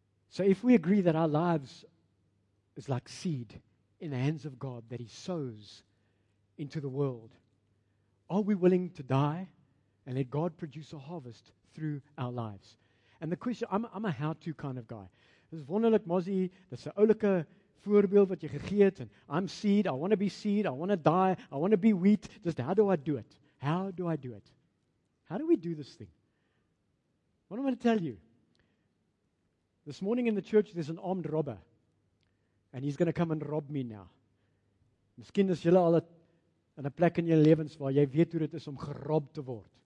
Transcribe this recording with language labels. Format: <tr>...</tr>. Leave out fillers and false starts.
<en>So if we agree that our lives is like seed in the hands of God that He sows into the world, are we willing to die and let God produce a harvest through our lives? And the question, I'm a how-to kind of guy. This is</en> <af>wonderlik, Mozzie, dis 'n oulike voorbeeld wat jy gegee het.</af> <en>And I'm seed, I want to be seed, I want to die, I want to be wheat. Just how do I do it? How do I do it? How do we do this thing? What am I going to tell you? This morning in the church, there's an armed robber. And he's going to come and rob me now.</en> <af>Miskien is julle al in 'n plek in jou lewens waar jy weet hoe dit is om gerob te word.</af>